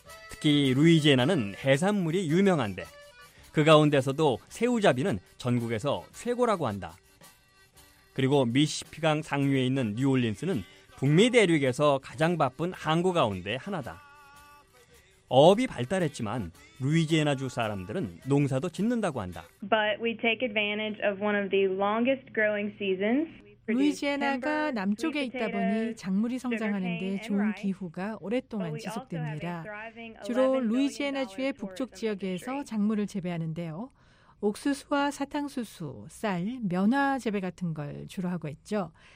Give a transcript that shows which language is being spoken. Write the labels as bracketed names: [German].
[Korean] 특히 루이지애나는 해산물이 유명한데 그 가운데서도 새우잡이는 전국에서 최고라고 한다. 그리고 미시시피강 상류에 있는 뉴올린스는 북미 대륙에서 가장 바쁜 항구 가운데 하나다. 어업이 발달했지만 루이지애나주 사람들은 농사도 짓는다고 한다. [English] But we take advantage of one of the longest growing seasons. [Korean] 루이지애나가 남쪽에 있다 보니 작물이 성장하는데 좋은 기후가 오랫동안 지속됩니다. 주로 루이지애나주의 북쪽 지역에서 작물을 재배하는데요. 옥수수와 사탕수수, 쌀, 면화 재배 같은 걸 주로 하고 있죠.